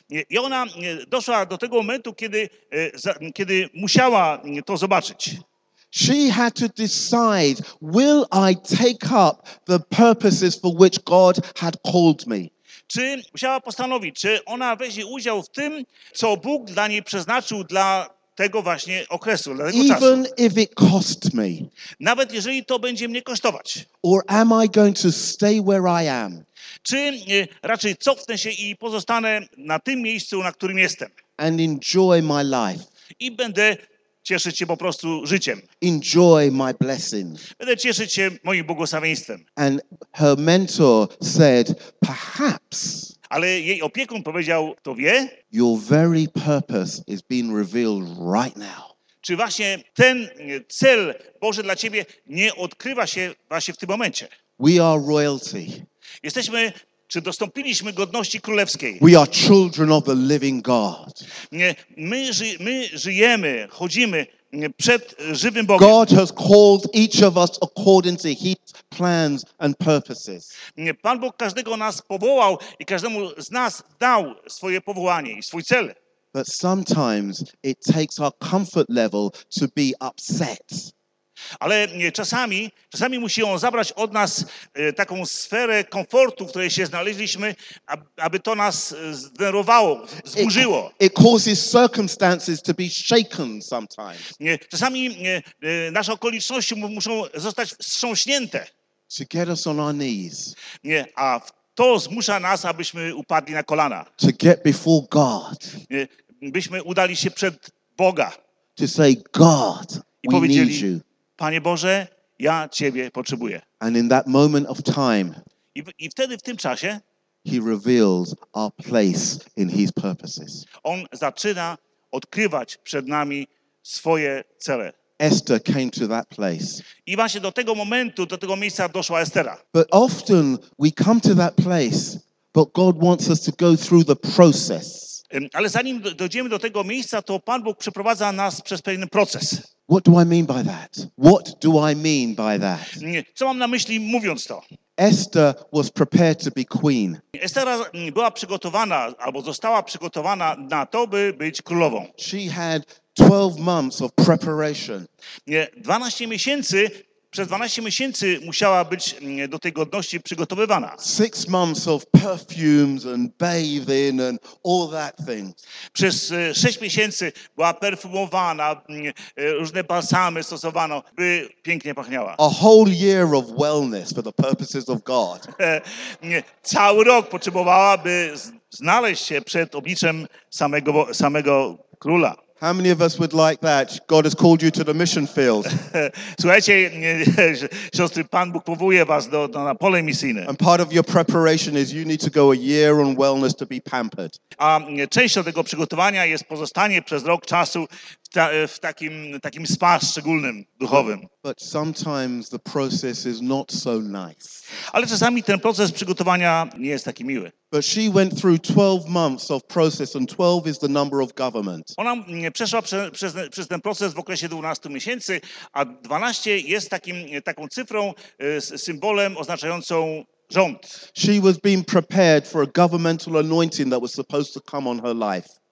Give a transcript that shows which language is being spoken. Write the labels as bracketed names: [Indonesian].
[Polish] I ona doszła do tego momentu, kiedy musiała to zobaczyć. [English] She had to decide, will I take up the purposes for which God had called me? [Polish] Czy musiała postanowić, czy ona weźmie udział w tym, co Bóg dla niej przeznaczył dla tego właśnie okresu, dla tego czasu. [English] Even if it cost me. [Polish] Nawet jeżeli to będzie mnie kosztować. [English] Or am I going to stay where I am? [Polish] Czy raczej cofnę się i pozostanę na tym miejscu, na którym jestem. [English] And enjoy my life. [Polish] I będę cieszyć się po prostu życiem. [English] Enjoy my blessing. [Polish] Będę cieszyć się moim błogosławieństwem. [English] And her mentor said, perhaps. [Polish] Ale jej opiekun powiedział, to wie. [English] Your very purpose is being revealed right now. [Polish] Czy właśnie ten cel Boży dla ciebie nie odkrywa się właśnie w tym momencie? [English] We are royalty. [Polish] Jesteśmy, czy dostąpiliśmy godności królewskiej. [English] We are children of the living God. [Polish] My żyjemy, chodzimy przed żywym Bogiem. [English] God has called each of us according to his plans and purposes. [Polish] Pan Bóg każdego nas powołał i każdemu z nas dał swoje powołanie i swój cel. [English] But sometimes it takes our comfort level to be upset. [Polish] Ale czasami musi on zabrać od nas taką sferę komfortu, w której się znaleźliśmy, aby to nas zdenerwowało, zburzyło. [English] It causes circumstances to be shaken sometimes. [Polish] Czasami nasze okoliczności muszą zostać wstrząśnięte. [English] To get us on our knees. [Polish] A to zmusza nas, abyśmy upadli na kolana. [English] To get before God. [Polish] Byśmy udali się przed Boga. [English] To say, God, we need you. [Polish] Panie Boże, ja Ciebie potrzebuję. [English] And in that moment of time, [Polish] I wtedy w tym czasie [English] he reveals our place in his purposes. [Polish] On zaczyna odkrywać przed nami swoje cele. [English] Esther came to that place. [Polish] I właśnie do tego momentu, do tego miejsca doszła Estera. [English] But often we come to that place, but God wants us to go through the process. [Polish] Ale zanim dojdziemy do tego miejsca, to Pan Bóg przeprowadza nas przez pewien proces. [English] What do I mean by that? What do I mean by that? [Polish] Co mam na myśli mówiąc to? [English] Esther was prepared to be queen. [Polish] Estera była przygotowana albo została przygotowana na to, by być królową. [English] She had 12 months of preparation. [Polish] 12 miesięcy, przez 12 miesięcy musiała być do tej godności przygotowywana. [English] 6 months of perfumes and bathing and all that thing. [Polish] Przez 6 miesięcy była perfumowana, różne balsamy stosowano, by pięknie pachniała. [English] A whole year of wellness for the purposes of God. [Polish] Cały rok potrzebowała, by znaleźć się przed obliczem samego króla. [English] How many of us would like that? God has called you to the mission field. [Polish] Słuchajcie, siostry, Pan Bóg powołuje was do na pole misyjne. [English] And part of your preparation is you need to go a year on wellness to be pampered. [Polish] A część tego przygotowania jest pozostanie przez rok czasu w takim spa szczególnym, duchowym. [English] But sometimes the process is not so nice. [Polish] Ale czasami ten proces przygotowania nie jest taki miły. [English] But she went through 12 months of process and 12 is the number of government. [Polish] Ona przeszła przez ten proces w okresie 12 miesięcy, a 12 jest taką cyfrą, symbolem oznaczającą rząd. [English] She was being prepared for a governmental anointing that was supposed to come on her life.